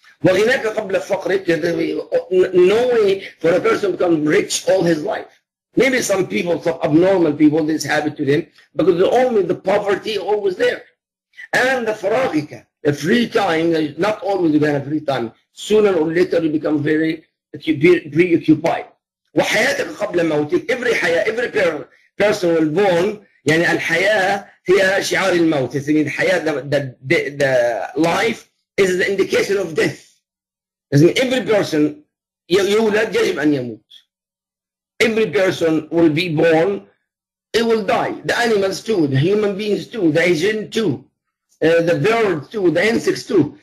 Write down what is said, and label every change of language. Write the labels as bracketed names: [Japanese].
[Arabic] وَغِنَاكَ قَبْلَ فَقْرِكَ, [English] no way for a person to become rich all his life. Maybe some people, some abnormal people, this habit to them, because only the poverty always there. And the فَرَاغِكَ, the free time, not always you have free time. Sooner or later you become very preoccupied. [Arabic] وَحَيَاتَكَ قَبْلَ مَوْتِكَ, [English] every [Arabic] حياة, [English] every person will born, [Arabic] يعني الحياة هي شعار الموت. [English] It means حياة, the life, is the indication of death. As in every person, [Arabic] يولد يجب أن يموت. [English] Every person will be born, it will die. The animals too, the human beings too, the Asian too, the birds too, the insects too.